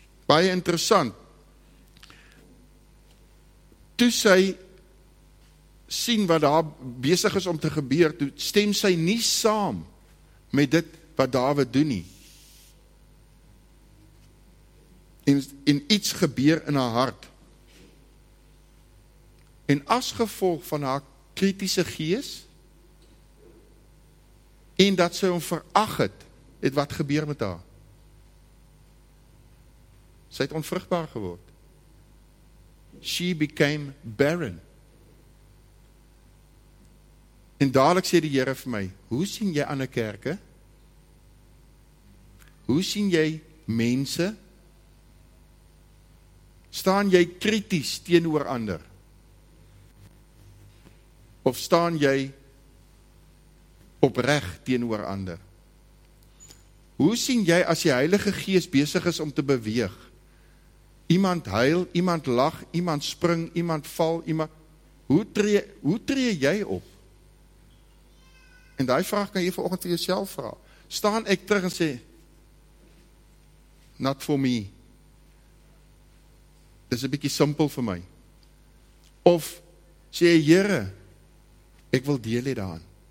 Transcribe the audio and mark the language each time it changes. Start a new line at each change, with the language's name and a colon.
Afrikaans: Baie interessant. Toe sy sien wat daar besig is om te gebeur, toe stem sy nie saam met dit wat Dawid doen nie. En iets gebeur in haar hart. En as gevolg van haar kritiese gees, en dat sy hom verag het, het wat gebeur met haar? Sy het onvrugbaar geword.
English: She became barren.
Afrikaans: En dadelik sê die Here vir my, hoe sien jy ander kerke? Hoe sien jy mense? Staan jy kritisch teenoor ander? Of staan jy opreg teenoor ander? Hoe sien jy as die Heilige Gees besig is om te beweeg? Iemand huil, iemand lag, iemand spring, iemand val, iemand... Hoe tree jy op? En die vraag kan jy vanoggend vir jouself vra. Staan ek terug en sê,
English: not for me.
Afrikaans: Dit is 'n bietjie simpel vir my. Of sê, Here, ek wil deel hê daaraan.